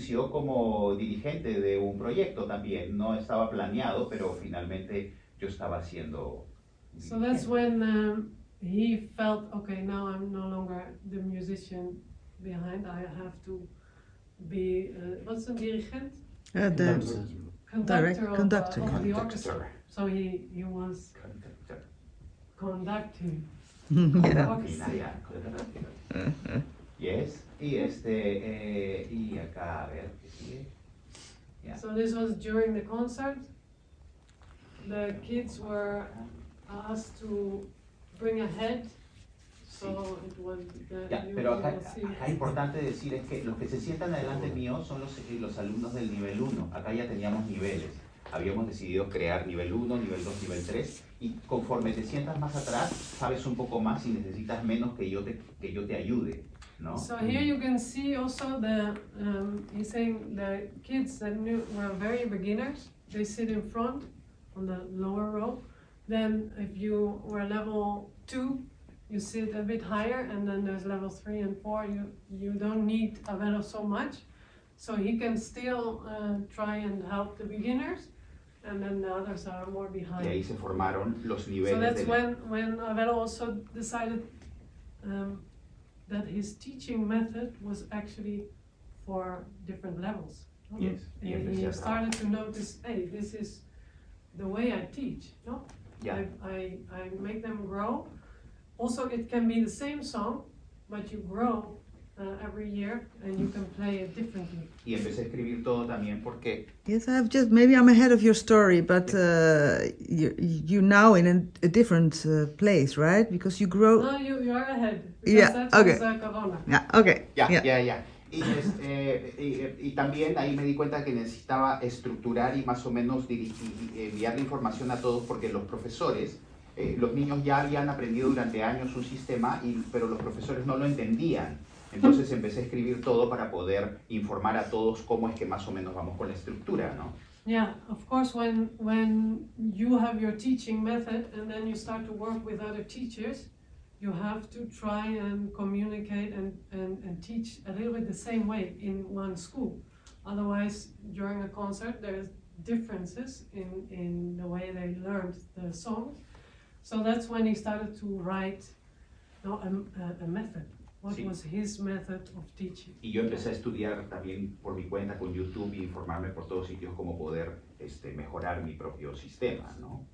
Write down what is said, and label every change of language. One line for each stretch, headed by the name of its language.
Spanish: Como dirigente de un proyecto también, no estaba planeado, pero finalmente yo estaba haciendo.
English: So that's when he felt, okay, now I'm no longer the musician behind, I have to be, what's the dirigent? Conductor.
Spanish: Yes, y acá, a ver.
English: Yeah. So this was during the concert. The kids were asked to bring a head. So it was
Spanish: acá importante decir es que los que se sientan adelante mío son los alumnos del nivel 1. Acá ya teníamos niveles. Habíamos decidido crear nivel 1, nivel 2, nivel 3. Y conforme te sientas más atrás, sabes un poco más y necesitas menos que yo te ayude. No.
English: So here you can see also the he's saying the kids that knew were very beginners, they sit in front on the lower row. Then if you were level 2, you sit a bit higher, and then there's level 3 and 4, you don't need a velo so much. So he can still try and help the beginners, and then the others are more behind.
Spanish: Y ahí se formaron los niveles.
English: So that's when a velo also decided that his teaching method was actually for different levels. Yes. And he started to notice, hey, this is the way I teach, no? Yeah. I make them grow. Also, it can be the same song, but you grow every year, and you can play it differently.
Spanish: Y empecé a escribir todo también porque...
English: Yes, I've just, maybe I'm ahead of your story, but you're now in a different place, right? Because you grow... No, you are ahead. Because yeah, that okay. Was, Corona. Yeah, okay. Yeah.
Spanish: Y también ahí me di cuenta que necesitaba estructurar y más o menos enviar la información a todos porque los profesores... los niños ya habían aprendido durante años un sistema, pero los profesores no lo entendían. Entonces empecé a escribir todo para poder informar a todos cómo es que más o menos vamos con la estructura, ¿no?
English: Yeah, of course, when you have your teaching method and then you start to work with other teachers, you have to try and communicate and teach a little bit the same way in one school. Otherwise, during a concert, there's differences in the way they learned the song. So that's when he started to write a method. What sí. Was his method of teaching?
Spanish: Y yo empecé a estudiar también por mi cuenta con YouTube y informarme por todos sitios cómo poder mejorar mi propio sistema, ¿no?